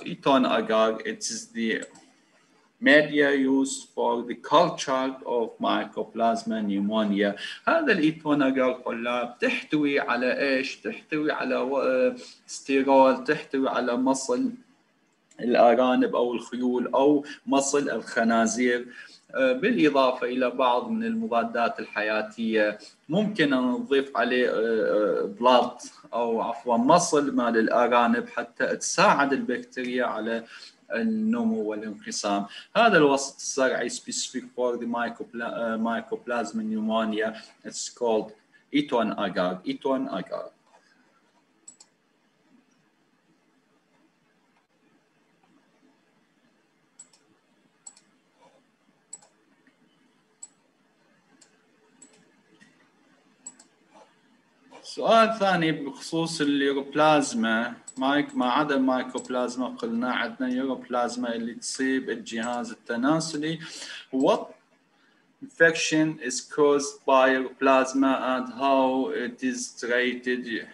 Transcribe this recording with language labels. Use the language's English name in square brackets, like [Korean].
[English] Eton agar, it is the media used for the culture of mycoplasma pneumonia. [Arabic] هذا الإيتون أجار قلاب تحتوي على إيش؟ تحتوي على استيرول، تحتوي على مصل الأرانب أو الخيول أو مصل الخنازير بالإضافة إلى بعض من المضادات الحياتية ممكن أن نضيف عليه بلط أو عفوا مصل مال الأرانب حتى تساعد البكتيريا على النمو والانقسام هذا الوسط الزرعي [English] specific for the mycoplasma pneumonia it's called eton agar [Arabic] سؤال ثاني بخصوص اليوروبلازما، مايك ما عدا المايكوبلازما قلنا عندنا اليوروبلازما اللي تصيب الجهاز التناسلي. [English] What infection is caused by plasma and how it is treated?